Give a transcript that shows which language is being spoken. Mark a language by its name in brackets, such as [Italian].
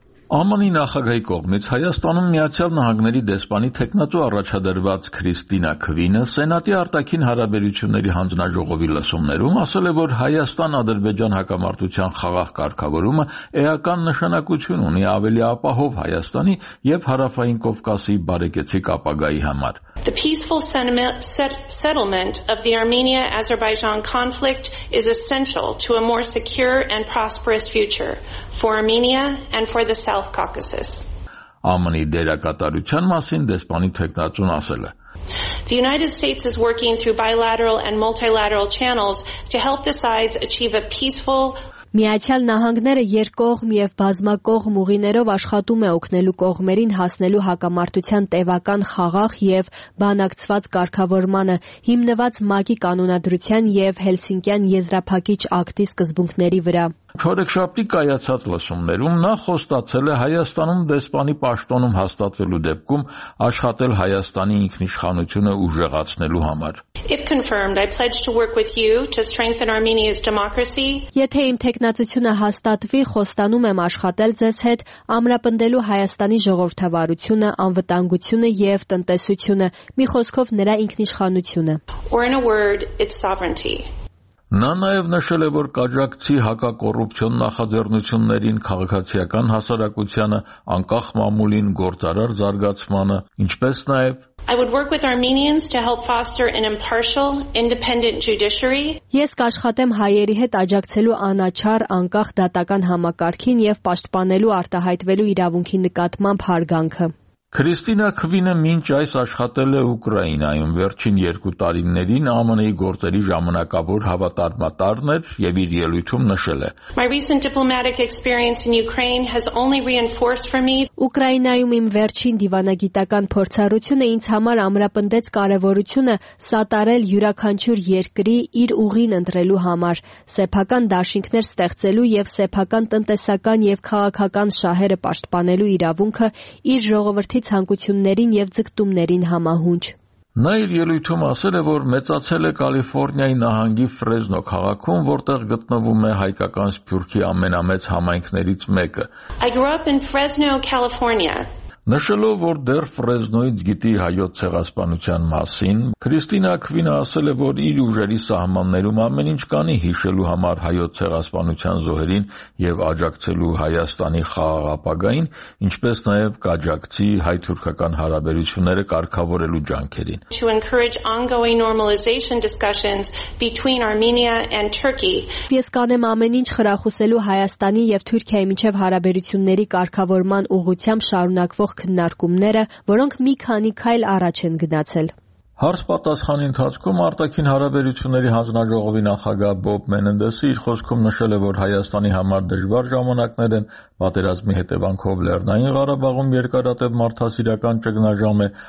[Armenian] ԱՄՆ-ի նախագահի կողմից Հայաստանում Միացյալ Նահանգների դեսպանի թեկնածու առաջադրված Քրիստինա Քվինը Սենատի արտաքին հարաբերությունների հանձնաժողովի լսումներում ասել է, որ Հայաստան-Ադրբեջան հակամարտության խաղաղ կարգավորումը էական նշանակություն ունի ավելի ապահով Հայաստանի և Հարավային Կովկասի բարեկեցիկ ապագայի համար։ [English] The peaceful settlement of the Armenia-Azerbaijan conflict is essential to a more secure and prosperous future for Armenia and for the South Caucasus. [Armenian] ԱՄՆ-ի դերակատարության մասին դեսպանի թեկնածուն ասել է. [English] The United States is working through bilateral and multilateral channels to help the sides achieve a peaceful [Armenian] Միացյալ Նահանգները երկկողմ և բազմակողմ ուղիներով աշխատում է օգնելու կողմերին հասնելու հակամարտության տևական խաղաղ և բանակցված կարգավորմանը, հիմնված ՄԱԿ-ի կանոնադրության և Հելսինկյան եզրափակիչ ակտի սկզբունքների վրա։ Չորեքշաբթի կայացած լսումներում նա խոստացել է Հայաստանում դեսպանի պաշտոնում հաստատվելու դեպքում աշխատել Հայաստանի ինքնիշխանությունը ուժեղացնելու համար։ [English] If confirmed, I pledge to work with you to strengthen Armenia's democracy. [Armenian] Եթե իմ թեկնածությունը հաստատվի, խոստանում եմ աշխատել ձեզ հետ ամրապնդելու Հայաստանի ժողովրդավարությունը, անվտանգությունը և տնտեսությունը, մի խոսքով նրա ինքնիշխանությունը։ [English] Or in a word, its sovereignty. [Armenian] Նա նաև նշել է, որ կաջակցի հակակոռուպցիոն նախաձեռնություններին քաղաքացիական հասարակությանը, անկախ մամուլին գործարար զարգացմանը, ինչպես նաև [English] I would work with Armenians to help foster an impartial, independent judiciary. [Armenian] Ես կաշխատեմ հայերի հետ աջակցելու անաչառ անկախ դատական համակարգին և պաշտպանելու արտահայտվելու իրավունքի նկատմամբ հարգանքը։ Քրիստինա Քվինը մինչ այս աշխատել է Ուկրաինայում, վերջին երկու տարիներին ԱՄՆ-ի գործերի ժամանակավոր հավատարմատարն էր և իր ելույթում նշել է. [English] My recent diplomatic experience in Ukraine has only reinforced for me. [Armenian] Ուկրաինայում իմ վերջին դիվանագիտական փորձառությունը ինձ համար ամրապնդեց կարևորությունը սատարել յուրաքանչյուր երկրի իր ուղին ընտրելու համար, սեփական դաշինքներ ստեղծելու և սեփական տնտեսական և քաղաքական շահերը պաշտպանելու իրավունքը իր ժողովրդի ցանկություններին և ձգտումներին համահունչ։ Նա իր ելույթում ասել է, որ մեծացել է Կալիֆոռնիայի նահանգի Ֆրեզնո քաղաքում, որտեղ գտնվում է հայկական սփյուռքի ամենամեծ համայնքներից մեկը։ [English] I grew up in Fresno, California. [Armenian] Նշելով, որ դեռ Ֆրեզնոից գիտի հայոց ցեղասպանության մասին, Քրիստինա Քվինը ասել է, որ իր ուժերի սահմաններում ամեն ինչ կանի հիշելու համար հայոց ցեղասպանության զոհերին և աջակցելու Հայաստանի խաղաղ ապագային, ինչպես նաև կաջակցի հայ-թուրքական հարաբերությունները կարգավորելու ջանքերին. [English] To encourage ongoing normalization discussions between Armenia and Turkey. [Armenian] Ես կանեմ ամեն ինչ խրախուսելու Հայաստանի և Թուրքիայի միջև հարաբերությունների կարգավորման ուղղությամբ շարունակ ող քննարկումները, որոնք մի քանի քայլ առաջ են գնացել։ Հարց պատասխանի ընթացքում արտաքին հարաբերությունների հանձնաժողովի նախագահ Բոբ Մենենդեսը իր խոսքում նշել է, որ Հայաստանի համար դժվար ժամանակներ են, պատերազմի հետևանքով Լեռնային Ղարաբաղում երկարատև մարդասիրական ճգնաժամ է,